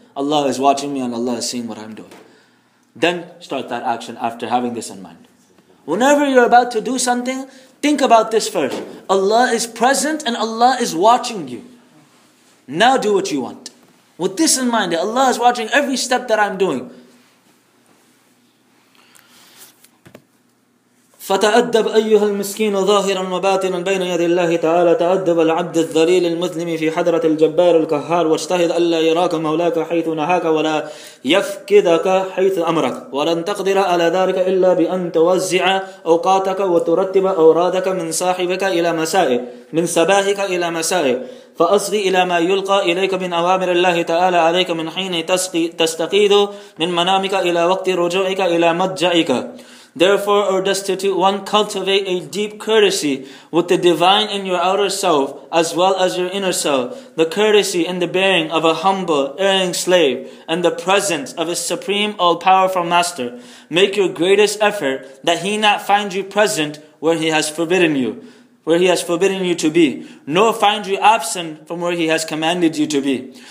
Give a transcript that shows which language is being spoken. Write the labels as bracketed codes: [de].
[en] Allah is watching me and Allah is seeing what I'm doing. Then start that action after having this in mind. Whenever you're about to do something, think about this first. Allah is present and Allah is watching you. Now do what you want. With this in mind, Allah is watching every step that I'm doing. [ar] فتأدب أيها المسكين ظاهرا وباطنا بين يدي الله تعالى تأدب العبد الذليل المذنب في حضرة الجبار القهار واجتهد ألا يراك مولاك حيث نهاك ولا يفقدك حيث أمرك ولن تقدر على ذلك إلا بأن توزع أوقاتك وترتب أورادك من صاحبك إلى مسائك من سباهك إلى مسائك فأصغي إلى ما يلقى إليك من أوامر الله تعالى عليك من حين تستقيد من منامك إلى وقت رجوعك إلى مضجعك. [en] Therefore, O destitute one, cultivate a deep courtesy with the divine in your outer self as well as your inner self, the courtesy and the bearing of a humble, erring slave, and the presence of a supreme, all-powerful master. Make your greatest effort that he not find you present where he has forbidden you, where he has forbidden you to be, nor find you absent from where he has commanded you to be.